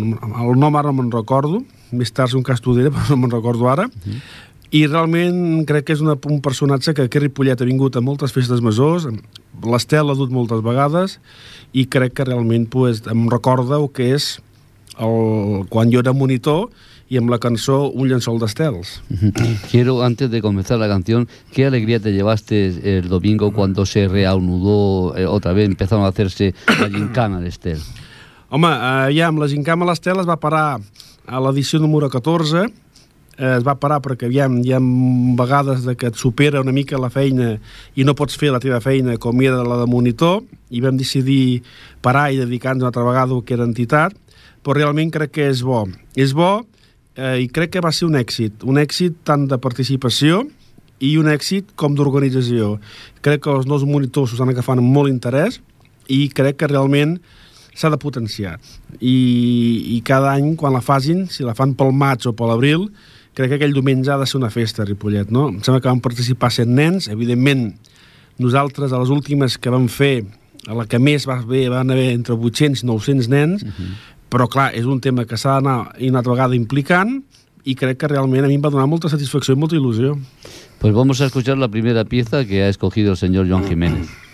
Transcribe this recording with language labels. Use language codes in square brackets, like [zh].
[ca] El nom ara no me'n recordo, més tard un cas Tudera, però no me'n recordo ara. Uh-huh. I realment crec que és un personatge que aquest Ripollet ha vingut a moltes festes majors, l'Estel l'ha dut moltes vegades, i crec que realment pues, em recorda el que és quan jo era monitor [es] y en la canción [ca] Un llençol d'estels. [es] Quiero, antes de comenzar la canción, ¿qué alegría te llevaste el domingo cuando se reanudó otra vez, empezaron a hacerse la gincana de Estel? [ca] Home, ja amb la gincana d'Estel es va parar a l'edició número 14, es va parar perquè hi ha vegades que et supera una mica la feina i no pots fer la teva feina com era la de monitor, i vam decidir parar i dedicar-nos una altra vegada a aquesta entitat, però realment crec que és bo. És bo, i crec que va ser un èxit tant de participació i un èxit com d'organització. Crec que els nous monitors s'ho estan agafant amb molt interès i crec que realment s'ha de potenciar. I cada any, quan la facin, si la fan pel maig o per l'abril, crec que aquell diumenge ha de ser una festa a Ripollet, no? Em sembla que van participar 100 nens. Evidentment, nosaltres, a les últimes que vam fer, a la que més va bé, van haver entre 800 i 900 nens, uh-huh. Però, clar, és un tema que s'ha d'anar una altra vegada implicant, i crec que realment a mi em va donar molta satisfacció i molta il·lusió. [es] Pues vamos a escuchar la primera pieza que ha escogido el señor Joan Jiménez.